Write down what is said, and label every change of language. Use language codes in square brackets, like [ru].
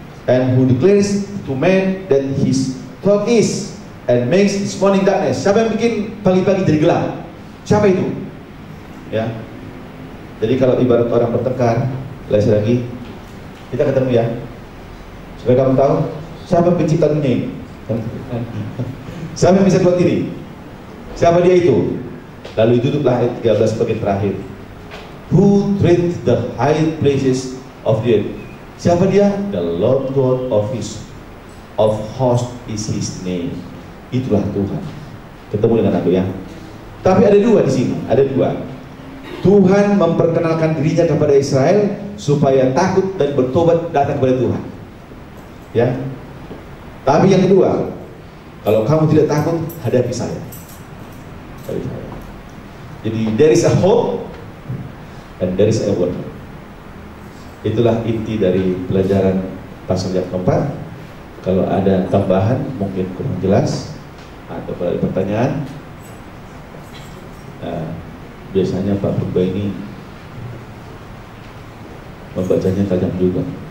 [en] And who declares to man that his thought is, and makes his morning darkness, [id] siapa yang bikin pagi-pagi jadi gelap? Siapa itu? Ya. Jadi kalau ibarat orang bertengkar, lagi, kita ketemu ya. Supaya kamu tahu, siapa pencipta dunia ini? Siapa yang bisa buat ini? Siapa dia itu? Lalu ditutuplah ayat 13 bagian terakhir. [en] Who treat the high places of the earth? [id] Siapa dia? [en] The Lord God of host is his name. [id] Itulah Tuhan. Ketemu dengan aku ya. Tapi ada dua di sini, ada dua. Tuhan memperkenalkan dirinya kepada Israel supaya takut dan bertobat datang kepada Tuhan. Ya. Tapi yang kedua, kalau kamu tidak takut, hadapi saya. [en] Jadi there is a hope and there is a word. [id] Itulah inti dari pelajaran pasal yang keempat. Kalau ada tambahan mungkin kurang jelas atau kalau ada pertanyaan, biasanya Pak Purba ini membacanya tajam juga.